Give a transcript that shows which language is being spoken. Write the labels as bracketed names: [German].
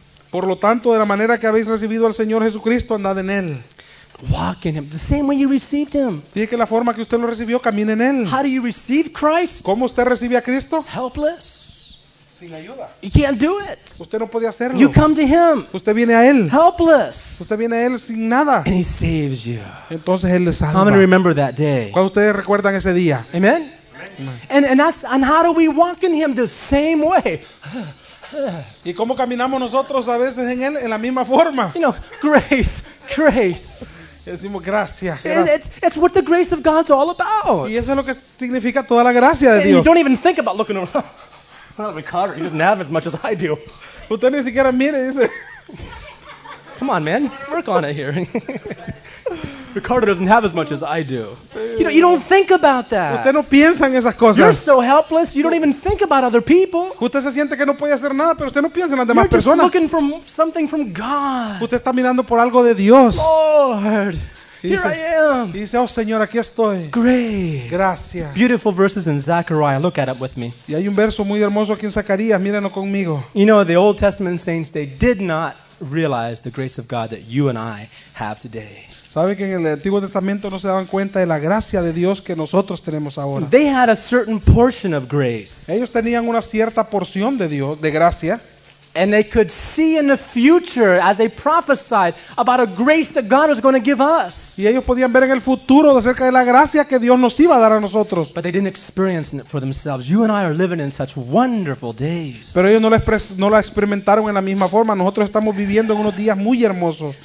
[Spanish] Por lo tanto, de la manera que habéis recibido al Señor Jesucristo, andad en él. [English] Walk in him the same way you received him. [Spanish] Dice que la forma que usted lo recibió, camine en él. [English] How do you receive Christ? [Spanish] ¿Cómo usted recibe a Cristo? [English] Helpless. [Spanish] Sin ayuda. [English] You can't do it. [Spanish] Usted no podía hacerlo. [English] You come to him. [Spanish] Usted viene a él. [English] Helpless. [Spanish] Usted viene a él sin nada. [English] And he saves you. [Spanish] Entonces él le salva. [English] How many remember that day? [Spanish] ¿Cuándo ustedes recuerdan ese día? [English] Amen. And how do we walk in him the same way? [Spanish] ¿Y cómo caminamos nosotros a veces en él en la misma forma? [English] You know, grace. [Spanish] Decimos gracias. [English] It's what the grace of God's all about. [Spanish] Y eso es lo que significa toda la gracia de Dios. [English] You don't even think about looking around. Ricardo, he doesn't have as much as I do. [Spanish] Usted ni siquiera mire, dice. [English] Come on, man. Work on it here. Ricardo doesn't have as much as I do. You don't think about that. [Spanish] Usted no piensa en esas cosas. [English] You're so helpless, you don't even think about other people. [Spanish] Usted se siente que no puede hacer nada, pero usted no piensa en las demás personas. [English] You're just looking for something from God. [Spanish] Usted está mirando por algo de Dios. [English] Lord. Here I am. [Spanish] Dice, oh Señor, aquí estoy. [English] Grace. [Spanish] Gracias. [English] Beautiful verses in Zechariah. Look at it with me. [Spanish] Y hay un verso muy hermoso aquí en Zacarías. Mírenlo conmigo. [English] You know, the Old Testament saints, they did not realize the grace of God that you and I have today. [Spanish] ¿Sabe que en el Antiguo Testamento no se daban cuenta de la gracia de Dios que nosotros tenemos ahora? [English] They had a certain portion of grace. [Spanish] Ellos tenían una cierta porción de Dios, de gracia. [English] And they could see in the future as they prophesied about a grace that God was going to give us. [Spanish] Y ellos podían ver en el futuro acerca de la gracia que Dios nos iba a dar a nosotros. [English] But they didn't experience it for themselves. You and I are living in such wonderful days. [Spanish] Pero ellos no la experimentaron en la misma forma. Nosotros estamos viviendo en unos días muy hermosos.